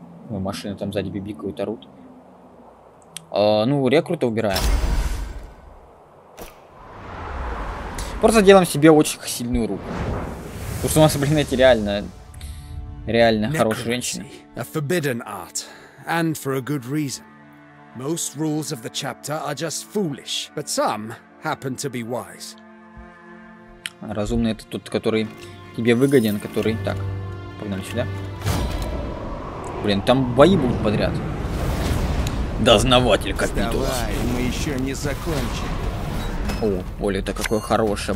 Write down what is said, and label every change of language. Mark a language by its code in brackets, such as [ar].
[ru] Ой, машины там сзади бибикают, орут. Ну, рекрута убираем. Просто делаем себе очень сильную руку. Потому что у нас, блин, эти реально... Реально хорошие женщины. [en] A forbidden art. And for a good reason. Most rules of the chapter are just foolish. But some happen to be wise. [ru] Разумный это тот, который тебе выгоден, который... Так, погнали сюда. Блин, там бои будут подряд. Дознаватель Капитулос. Вставай, мы еще не закончили. О, поле-то какое хорошее.